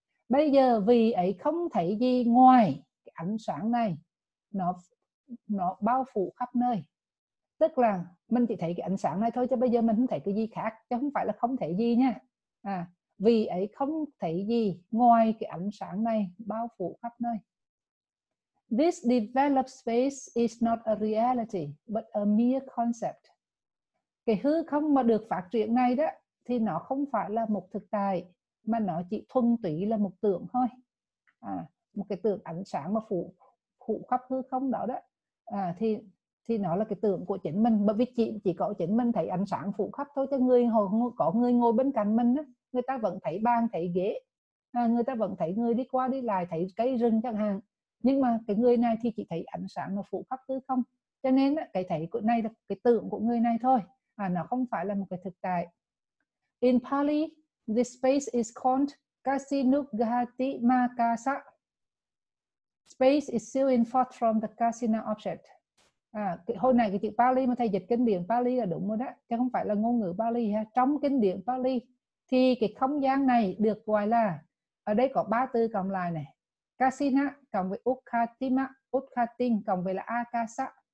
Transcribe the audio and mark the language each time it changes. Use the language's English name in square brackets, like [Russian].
[Vietnamese] Bây giờ vì ấy không thấy gì ngoài cái ánh sáng này, nó bao phủ khắp nơi. Tức là mình chỉ thấy cái ánh sáng này thôi, chứ bây giờ mình không thấy cái gì khác, chứ không phải là không thấy gì nha. À, vì ấy không thấy gì ngoài cái ánh sáng này bao phủ khắp nơi. [English] This developed space is not a reality, but a mere concept. [Vietnamese] Cái hư không mà được phát triển này đó, thì nó không phải là một thực tại, mà nó chỉ thuần túy là một tượng thôi. À, một cái tượng ánh sáng mà phủ khắp hư không đó đó. À, thì nó là cái tượng của chính mình. Bởi vì chỉ có chính mình thấy ánh sáng phủ khắp thôi, chứ người ngồi bên cạnh mình đó, người ta vẫn thấy bàn, thấy ghế. À, người ta vẫn thấy người đi qua đi lại, thấy cây rừng chẳng hạn. Nhưng mà cái người này thì chỉ thấy ánh sáng nó phủ khắp hư không. Cho nên cái thấy của này là cái tượng của người này thôi. À, nó không phải là một cái thực tại. [English] In Pali, this space is called Kasinugati Makasa. Space is still in thought from the Kasina object. [Vietnamese] À, hồi này cái chữ Pali mà thầy dịch kinh điển Pali là đúng rồi đó, chứ không phải là ngôn ngữ Pali ha. Trong kinh điển Pali thì cái không gian này được gọi là, ở đây có ba từ cộng lại này, Kasina cộng với Ukhatima, Ukhatin cộng với là Akasa.